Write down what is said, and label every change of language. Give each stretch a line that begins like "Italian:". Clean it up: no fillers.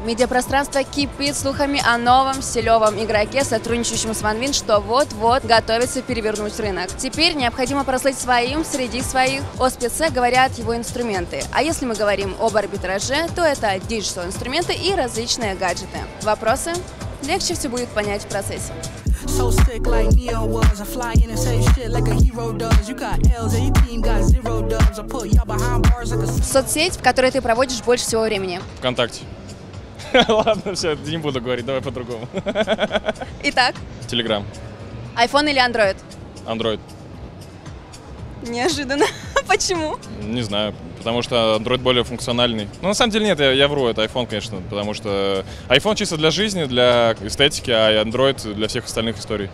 Russian: Медиапространство кипит слухами о новом стилевом игроке, сотрудничающем с OneWin, что вот-вот готовится перевернуть рынок. Теперь необходимо прослыть своим среди своих. О спеце говорят его инструменты. А если мы говорим об арбитраже, то это диджитал инструменты и различные гаджеты. Вопросы? Легче все будет понять в процессе.
English: So sick like Neo was, I fly in and say shit like a hero does. You got L's and your team got zero dubs. I put y'all behind bars like a...
Russian: Соцсеть, в которой ты проводишь больше всего времени? ВКонтакте. Ладно, все, не буду говорить, давай по-другому. Итак? Телеграм. Айфон или Android? Android. Неожиданно. Почему? Не знаю, потому что Android более функциональный. Ну, на самом деле, нет, я вру, это iPhone, конечно, потому что iPhone чисто для жизни, для эстетики, а Android для всех остальных историй.